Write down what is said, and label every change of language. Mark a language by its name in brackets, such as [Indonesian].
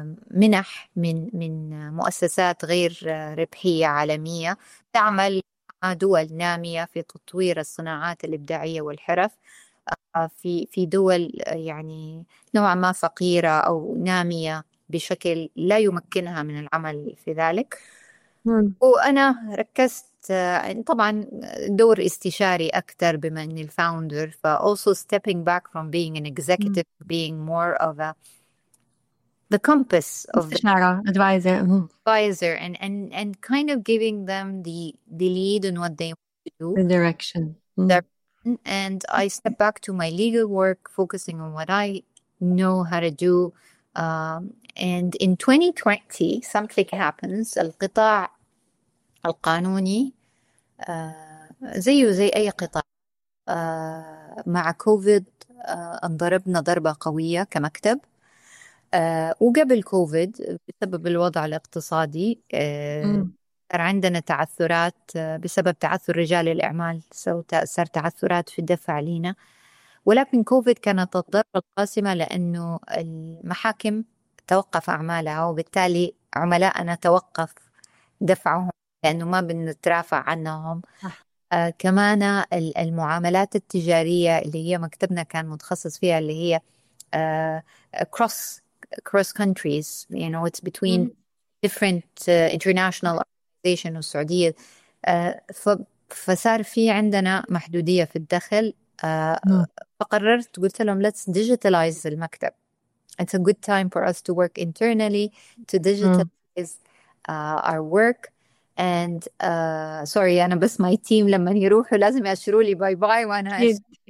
[Arabic] منح من مؤسسات غير ربحية عالمية تعمل مع دول نامية في تطوير الصناعات الإبداعية والحرف في دول يعني نوعا ما فقيرة أو نامية بشكل لا يمكنها من العمل في ذلك. وأنا ركزت طبعا دور استشاري أكثر بما أني الفاوندر، ف [English] also stepping back from being an executive being more of a the compass of the [Arabic] استشارة advisor [English] advisor and kind of giving them the lead on what they want to do, the direction. And I step back to my legal work, focusing on what I know how to do. And in 2020 something happens. [Arabic] القطاع القانوني زيه زي أي قطاع، مع كوفيد انضربنا ضربة قوية كمكتب، وقبل كوفيد بسبب الوضع الاقتصادي صار عندنا تعثرات بسبب تعثر رجال الأعمال، صار تعثرات في الدفع لينا، ولكن كوفيد كانت الضربة القاسمة لأنه المحاكم توقف أعمالها، وبالتالي عملاءنا توقف دفعهم لأنه ما بنترافع عنهم. كمان المعاملات التجارية اللي هي مكتبنا كان متخصص فيها، اللي هي [English] cross countries, you know, it's between different international organization [Arabic] والسعودية. فصار في عندنا محدودية في الدخل. فقررت، قلت لهم [English] let's digitalize [Arabic] المكتب. [English] It's a good time for us to work internally to digitalize our work. [Arabic] And sorry, أنا بس [English] my team [Arabic] لما يروحوا لازم يأشروا لي باي باي وأنا أشتري.